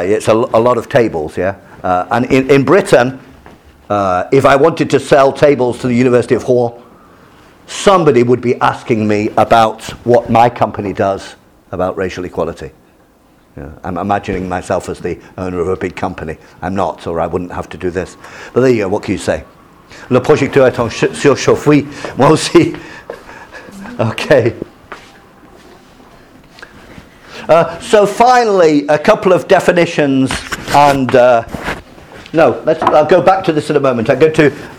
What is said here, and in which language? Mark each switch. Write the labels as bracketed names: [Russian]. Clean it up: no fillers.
[English] It's a lot of tables, yeah. And in Britain, if I wanted to sell tables to the University of Rouen, somebody would be asking me about what my company does about racial equality. Yeah, I'm imagining myself as the owner of a big company. I'm not, or I wouldn't have to do this. But there you go, what can you say? [French] Le projecteur est en surchauffe, moi aussi. [English] Okay. So finally, a couple of definitions and... I'll go back to this in a moment. I'm going to...